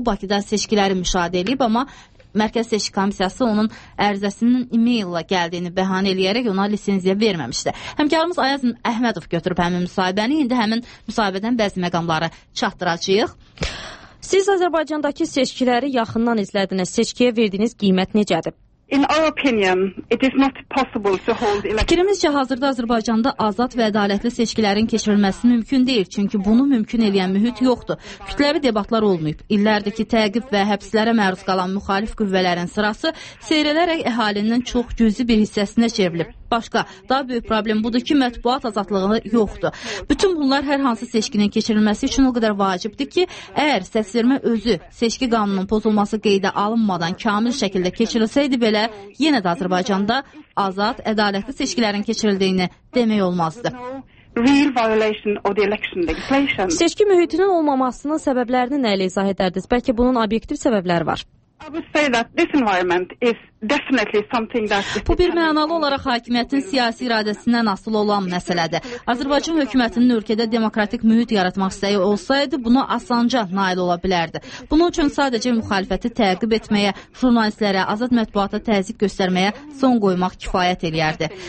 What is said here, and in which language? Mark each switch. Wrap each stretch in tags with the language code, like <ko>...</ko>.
<az>Bakıda seçkiləri müşahidə edib, amma Mərkəz Seçki Komissiyası onun ərizəsinin e-maillə gəldiyini bəhanə eləyərək ona lisenziya verməmişdi. Həmkarımız Ayaz Əhmədov götürüb həmin müsahibəni. İndi həmin müsahibədən bəzi məqamları çatdıracağıq. Siz Azərbaycandakı seçkiləri yaxından izlədiniz. Seçkiyə verdiyiniz qiymət necədir?</az> <en>In our opinion, it is not possible to hold elections.</en> <az>Fikrimizcə hazırda Azərbaycanda azad və ədalətli seçkilərin keçirilməsi mümkün deyil, çünki bunu mümkün eləyən mühit yoxdur. Kütləvi debatlar olmayıb. İllərdəki təqib və həbslərə məruz qalan müxalif qüvvələrin sırası seyrələrək əhalinin çox cüzi bir hissəsinə çevrilib. Başqa, daha böyük problem budur ki, mətbuat azadlığı yoxdur. Bütün bunlar hər hansı seçkinin keçirilməsi üçün o qədər vacibdir ki, əgər səsvermə özü seçki qanununun pozulması qeydə alınmadan kamil şəkildə keçirilsəydi belə, yenə də Azərbaycanda azad, ədalətli seçkilərin keçirildiyini demək olmazdı.</az> <en>Real violation of the election legislation.</en> <az>Seçki mühitinin olmamasının səbəblərini nəyə izah edərdiniz? Bəlkə bunun obyektiv səbəbləri var.</az> <en>I would say that this environment is definitely something that</en> <az>bu bir mənalı olaraq hakimiyyətin siyasi iradəsindən asıl olan məsələdir. Azərbaycan hökumətinin ölkədə demokratik mühit yaratmaq istəyi olsaydı, buna asanca nail ola bilərdi. Bunun üçün sadəcə müxalifəti təqib etməyə, jurnalistlərə, azad mətbuata təzyiq göstərməyə son qoymaq kifayət eləyərdi.</az>